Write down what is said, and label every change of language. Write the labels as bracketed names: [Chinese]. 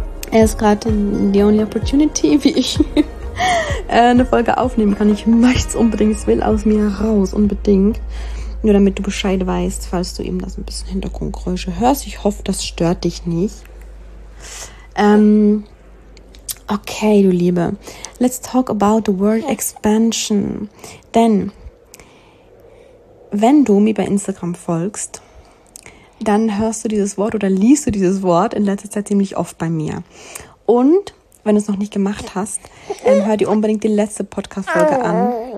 [German] Er ist gerade [English] the only opportunity, [German] wie ich eine Folge aufnehmen kann. Ich möchte es unbedingt, es will aus mir raus, unbedingt. Nur damit du Bescheid weißt, falls du eben das ein bisschen Hintergrundgeräusche hörst. Ich hoffe, das stört dich nicht. Okay, du Liebe. [English] Let's talk about the world expansion. [German] Denn wenn du mir bei Instagram folgst, dann hörst du dieses Wort oder liest du dieses Wort in letzter Zeit ziemlich oft bei mir. Und wenn du es noch nicht gemacht hast, dann hör dir unbedingt die letzte Podcast-Folge an.